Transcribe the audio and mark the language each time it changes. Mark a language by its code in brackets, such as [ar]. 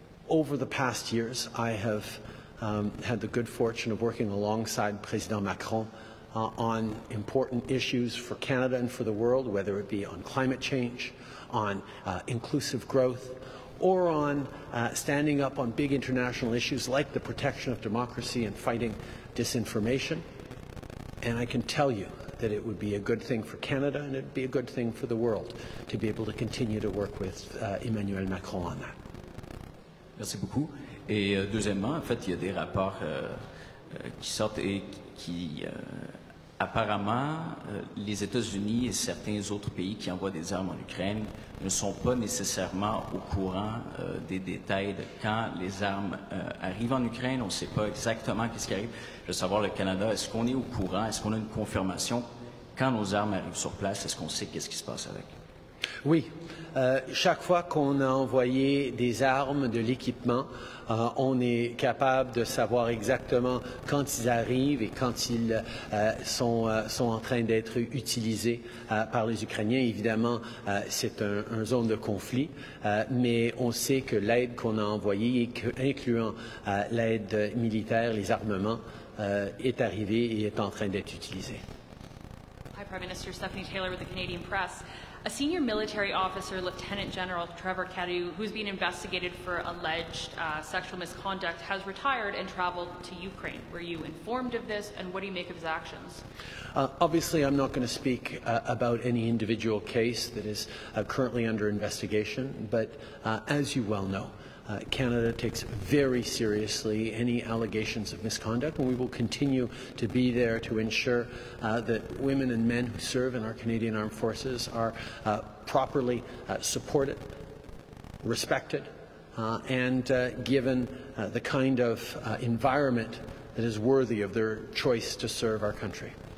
[en] over the past years, I have had the good fortune of working alongside President Macron on important issues for Canada and for the world, whether it be on climate change, on inclusive growth, or on standing up on big international issues like the protection of democracy and fighting disinformation. And I can tell you that it would be a good thing for Canada and it would be a good thing for the world to be able to continue to work with Emmanuel Macron on that. [fr] Merci beaucoup. Et deuxièmement, en fait, il y a des rapports qui sortent et qui, apparemment, les États-Unis et certains autres pays qui envoient des armes en Ukraine ne sont pas nécessairement au courant des détails de quand les armes arrivent en Ukraine. On ne sait pas exactement qu'est-ce qui arrive. Je veux savoir, le Canada, est-ce qu'on est au courant? Est-ce qu'on a une confirmation quand nos armes arrivent sur place? Est-ce qu'on sait qu'est-ce qui se passe avec? Oui. Chaque fois qu'on a envoyé des armes, de l'équipement, on est capable de savoir exactement quand ils arrivent et quand ils sont en train d'être utilisés par les Ukrainiens. Évidemment, c'est une zone de conflit, mais on sait que l'aide qu'on a envoyée, incluant l'aide militaire, les armements, est arrivée et est en train d'être utilisée. [en] Hi, Prime Minister Stephanie Taylor with the Canadian Press. A senior military officer, Lieutenant General Trevor Cadieu, who's been investigated for alleged sexual misconduct, has retired and traveled to Ukraine. Were you informed of this, and what do you make of his actions? Obviously, I'm not going to speak about any individual case that is currently under investigation, but as you well know, Canada takes very seriously any allegations of misconduct, and we will continue to be there to ensure that women and men who serve in our Canadian Armed Forces are properly supported, respected, and given the kind of environment that is worthy of their choice to serve our country.